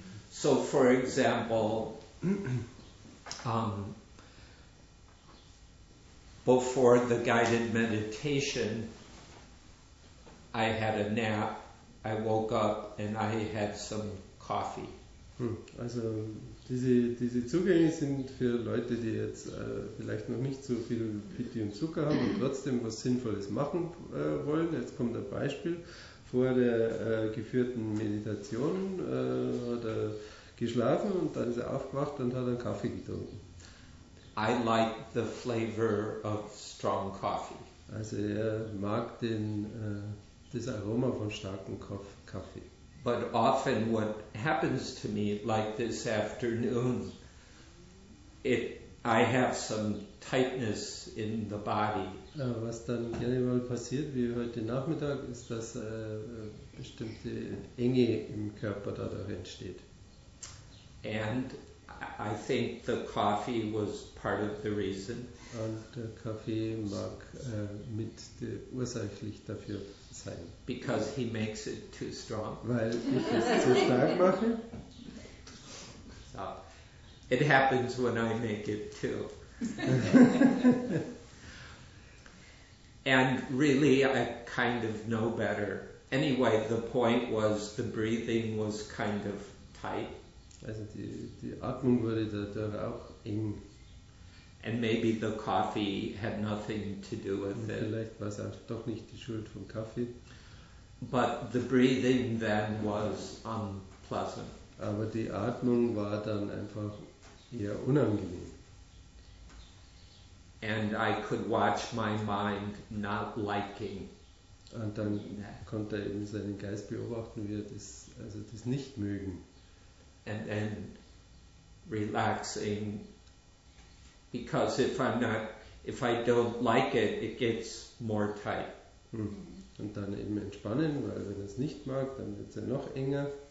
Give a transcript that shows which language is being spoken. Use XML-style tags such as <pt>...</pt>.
<en>So, for example, before the guided meditation, I had a nap, I woke up, and I had some coffee.</en> <de>Also diese Zugänge sind für Leute, die jetzt vielleicht noch nicht so viel Pity und Zucker haben und trotzdem was Sinnvolles machen wollen. Jetzt kommt ein Beispiel. Vor der geführten Meditation hat er geschlafen und dann ist er aufgewacht und hat einen Kaffee getrunken.</de> <en>I like the flavor of strong coffee.</en> <de>Also er mag das Aroma von starkem Kaffee.</de> <en>But often what happens to me, like this afternoon, I have some tightness in the body.</en> <de>Was dann gerne mal passiert, wie heute Nachmittag, ist, dass bestimmte Enge im Körper dadurch entsteht.</de> <en>And I think the coffee was part of the reason.</en> <de>Und der Kaffee mag mit ursächlich dafür sein.</de> <en>Because he makes it too strong.</en> <de>Weil ich es zu stark mache.</de> <en>So, it happens when I make it too. And really, I kind of know better. Anyway, the point was the breathing was kind of tight.</en> <de>Also die Atmung wurde dadurch auch eng.</de> <en>And maybe the coffee had nothing to do with it.</en> <de>Vielleicht war es auch doch nicht die Schuld vom Kaffee.</de> <en>But the breathing then was unpleasant.</en> <de>Aber die Atmung war dann einfach eher unangenehm.</de> <en>And I could watch my mind not liking.</en> <de>Und dann konnte er eben seinen Geist beobachten, wie er das, also das nicht mögen.</de> <en>And then relaxing, because if I don't like it, it gets more tight.</en> <de>Und dann eben entspannen, weil wenn es nicht mag, dann wird es ja noch enger.</de>